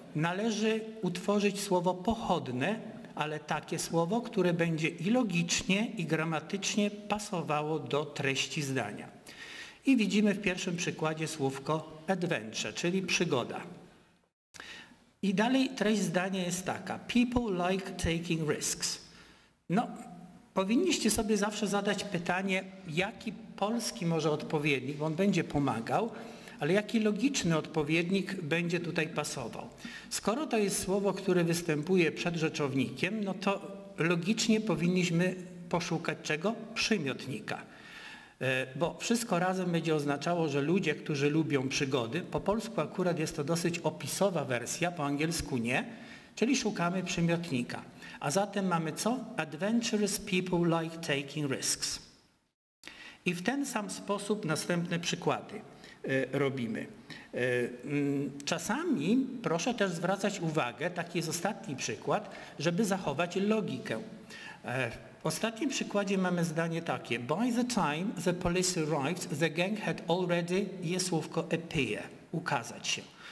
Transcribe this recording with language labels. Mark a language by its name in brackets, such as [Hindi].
[Polish] należy utworzyć słowo pochodne, ale takie słowo, które będzie i logicznie, i gramatycznie pasowało do treści zdania. I widzimy w pierwszym przykładzie słówko adventure, czyli przygoda. I dalej treść zdania jest taka. [English] People like taking risks. [Polish] No, powinniście sobie zawsze zadać pytanie, jaki polski może odpowiednik, bo on będzie pomagał, ale jaki logiczny odpowiednik będzie tutaj pasował. Skoro to jest słowo, które występuje przed rzeczownikiem, no to logicznie powinniśmy poszukać czego? Przymiotnika. Bo wszystko razem będzie oznaczało, że ludzie, którzy lubią przygody, po polsku akurat jest to dosyć opisowa wersja, po angielsku nie, czyli szukamy przymiotnika. A zatem mamy co? [English] Adventurous people like taking risks. [Polish] I w ten sam sposób następne przykłady robimy. Czasami proszę też zwracać uwagę, taki jest ostatni przykład, żeby zachować logikę. W ostatnim przykładzie mamy zdanie takie. By the time the police arrived, the gang had already, jest słówko appear, ukazać się.